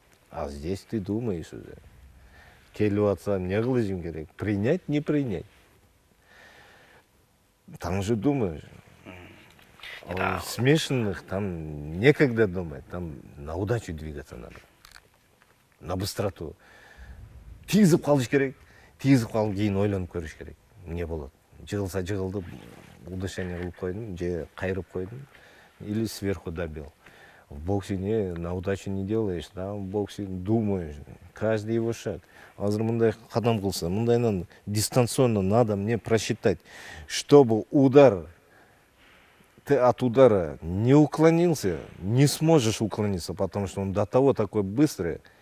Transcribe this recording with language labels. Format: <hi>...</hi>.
<ru>А здесь ты думаешь уже. Келю отца не глазим, говорит, принять, не принять. Там же думаешь. Да. Смешанных там некогда думать, там на удачу двигаться надо, на быстроту.</ru> <ky>тигизип калыш керек, тигизип калып кийин ойлонуп көрүш керек. Эмне болот? Жыгылса жыгылды, удушение кылып койдум же кайрып койдум</ky> <ru>или сверху добил. В боксе не, на удачу не делаешь, да, в боксе думаешь, каждый его шаг.</ru> <ky>Азыр мындай кадам кылса, мындайдан</ky> <ru>дистанционно надо мне просчитать, чтобы удар, ты от удара не уклонился, не сможешь уклониться, потому что он до того такой быстрый.</ru>